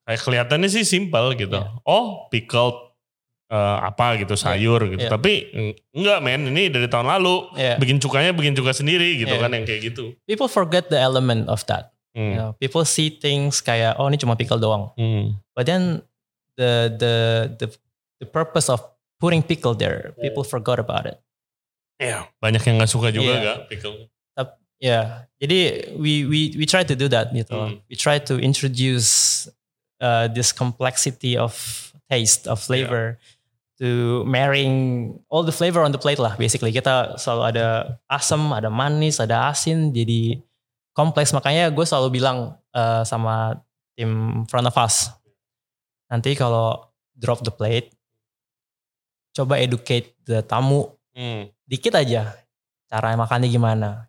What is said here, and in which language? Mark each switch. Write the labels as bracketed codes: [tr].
[id] Kayak kelihatannya sih simple gitu. Yep. Oh, pickled apa gitu sayur gitu. Yep. Tapi enggak men, ini dari tahun lalu bikin cuka sendiri gitu kan yang kayak gitu. [en] People forget the element of that. You know, people see things [id] kayak oh ini cuma pickle doang. [en] But then the purpose of putting pickle there, people forgot about it. [id] Yeah, banyak yang nggak suka juga nggak pickle. [en] Jadi we try to do that gitu. We try to introduce this complexity of taste of flavor to marrying all the flavor on the plate lah. [id] Basically kita selalu ada asam, ada manis, ada asin. Jadi kompleks, makanya gue selalu bilang sama tim front of us, nanti kalau [en] drop the plate, [id] coba educate the tamu dikit aja cara makannya gimana.